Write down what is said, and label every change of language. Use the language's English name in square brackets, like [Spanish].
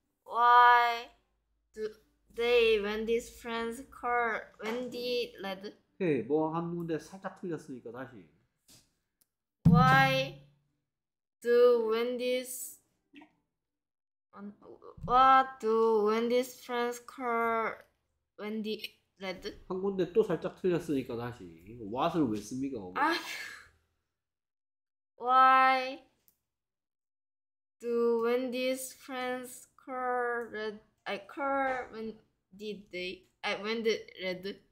[English] Why do they Wendy's friends call Wendy red? [Korean] 헤이, 뭐한 군데 살짝 틀렸으니까 다시. [English] Why do Wendy's what do Wendy's friends call Wendy red? [Korean] 한 군데 또 살짝 틀렸으니까 다시 what을 왜 씁니까 거기? [English] Why do Wendy's friends call red? I call Wendy red.